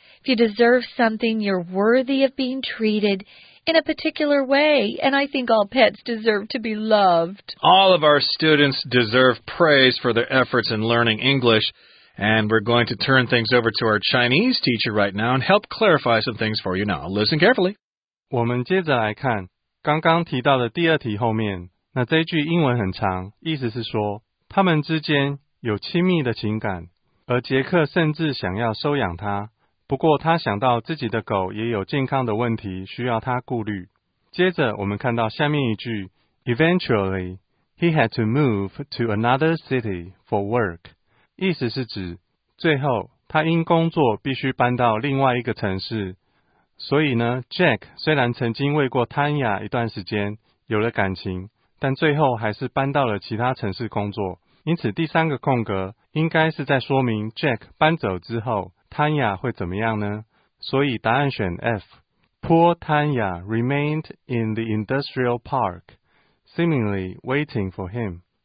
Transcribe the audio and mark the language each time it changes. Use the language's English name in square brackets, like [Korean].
[English] If you deserve something, you're worthy of being treated in a particular way, and I think all pets deserve to be loved. All of our students deserve praise for their efforts in learning English, and we're going to turn things over to our Chinese teacher right now and help clarify some things for you now. Listen carefully. [Chinese] 我们接着来看刚刚提到的第二题后面, 那这句英文很长, 意思是说, 他们之间有亲密的情感, 而杰克甚至想要收养他, 不过他想到自己的狗也有健康的问题需要他顾虑。接着我们看到下面一句, [English] Eventually, he had to move to another city for work. [Chinese] 意思是指最后他因工作必须搬到另外一个城市。所以呢,Jack虽然曾经为过Tanya一段时间有了感情,但最后还是搬到了其他城市工作。因此第三个空格应该是在说明Jack搬走之后, Tanya 会怎么样呢? 所以答案选F. [English] Poor Tanya remained in the industrial park, seemingly waiting for him.